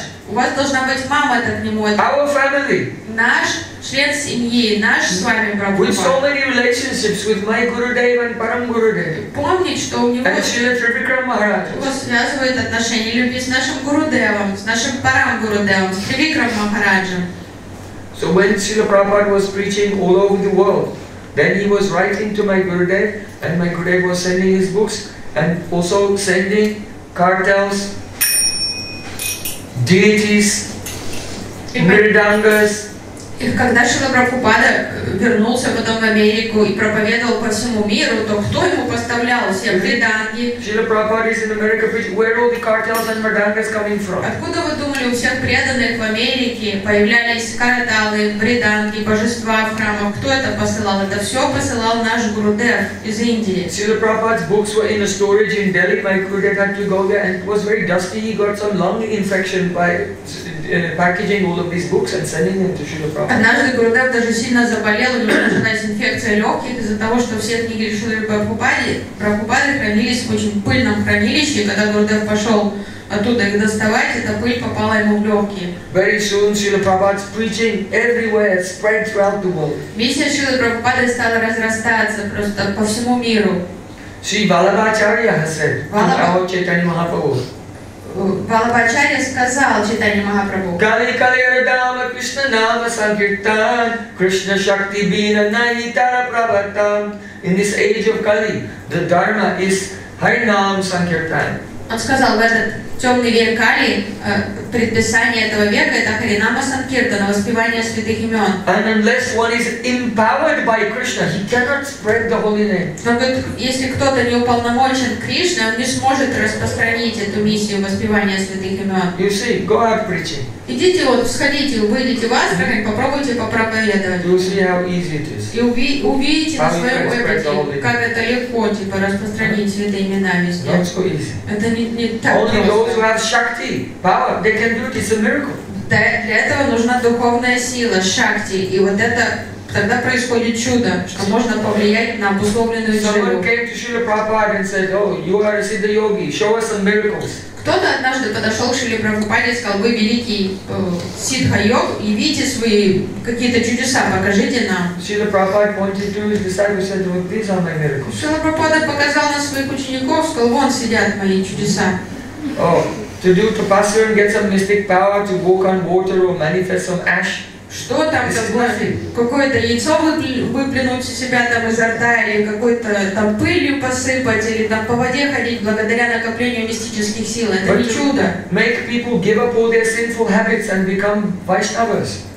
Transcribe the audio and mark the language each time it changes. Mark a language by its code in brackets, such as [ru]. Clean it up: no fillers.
[ru] У вас должна быть мама этот немой. [en] Our family. [ru] Наш член семьи, наш с вами Прабхупад. [en] With so many relationships with my Gurudev and Param Gurudev. [ru] Помнить, что у него связывает отношения любви с нашим Гурудевом, с нашим Парам Гурудевом, с Тривикрам Махараджем. [en] So when Srila Prabhupada was preaching all over the world, then he was writing to my Gurudev, and my Gurudev was sending his books and also sending cartels, deities, mridangas. [ru] И когда Шрила Прабхупада вернулся потом в Америку и проповедовал по всему миру, то кто ему поставлял все мриданги? [en] Шрила Прабхупада is in America, but where all the cartels and mridangas coming from? [ru] Откуда вы думали, у всех преданных в Америке появлялись карталы, мриданги, божества в храмах? Кто это посылал? Это все посылал наш Гурудев из Индии. [en] Шрила Прабхупада's books were in a storage in Delhi. My Gurudev had to go there and it was very dusty. He got some lung infection by packaging all of these books and sending them to Srila Prabhupada. [ru] Однажды Гурудев даже сильно заболел, у него началась инфекция легких из-за того, что все книги Шрилы Прабхупады хранились в очень пыльном хранилище, и когда Гурудев пошел оттуда их доставать, эта пыль попала ему в легкие. [en] Very soon Srila Prabhupada's preaching everywhere, spread throughout the world. [ru] Миссия Шрилы Прабхупады стала разрастаться просто по всему миру. [en] Шри Валабхачарья said, Рао Чайтанья Махапрабху. [ru] Валабхачарья сказал Чайтанья Махапрабху. [sa] Кали кали радама Кришна нама санкиртан Кришна шакти бина найита праватам. [en] In this age of Kali, the Dharma is Харинам санкиртан. [ru] Он сказал, в этот темный век Кали предписание этого века это Харинама санкиртана, воспевание святых имен. [en] And unless one is empowered by Krishna, he cannot spread the holy name. [ru] Но если кто-то не уполномочен Кришной, он не сможет распространить эту миссию воспевания святых имен. [en] You see, go out preaching. [ru] Идите вот, сходите, выйдите в Астрахань, попробуйте попроповедовать. [en] You see how easy it is. [ru] И увидите на своем опыте, как это легко, типа, распространить святые имена везде. [en] Not so easy. [ru] Это не так [en] only [ru] просто. [en] Only those who have Shakti, power, they can do it, it's a miracle. [ru] Для этого нужна духовная сила, Шакти, и вот это тогда происходит чудо, что можно повлиять на обусловленную силу. [en] Someone came to Srila Prabhupada and said, oh, you are a Siddha Yogi, show us some miracles. [ru] Кто-то однажды подошел к Шриле Прабхупаде и сказал, вы великий ситха-йог, явите свои какие-то чудеса, покажите нам. Шрила Прабхупада показал на своих учеников, сказал, вон сидят мои чудеса. [en] To do tapasya and get some mystic power to walk on water or manifest some ash. [ru] Что там какое-то яйцо выплюнуть из себя там изо рта или какой-то там пылью посыпать или там по воде ходить благодаря накоплению мистических сил. Это не чудо. [en] Make people give up all their sinful habits and become Vaishnavas.